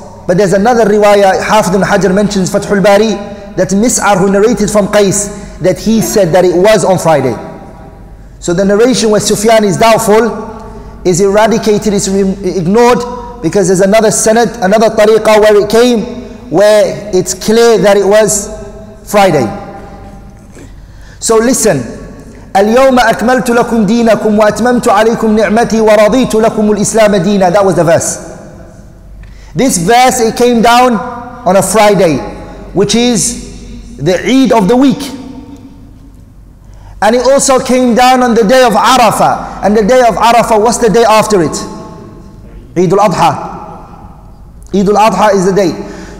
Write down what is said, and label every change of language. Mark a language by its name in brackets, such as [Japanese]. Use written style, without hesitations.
[English] But there's another riwayah, Hafidh al-Hajr mentions Fathul Bari, that Mis'ar, who narrated from Qais, that he said that it was on Friday. So the narration where Sufyan is doubtful is eradicated, is ignored, because there's another sanad, another tariqah where it came, where it's clear that it was Friday. So listen, [Arabic] اليوم أكملت لكم دينكم وأتممت عليكم نعمتي ورضيت لكم الإسلام دينا. [English] That was the verse. This verse, it came down on a Friday, which is the Eid of the week. And it also came down on the day of Arafah. And the day of Arafah, what's the day after it? Eid al-Adha. Eid al-Adha is the day.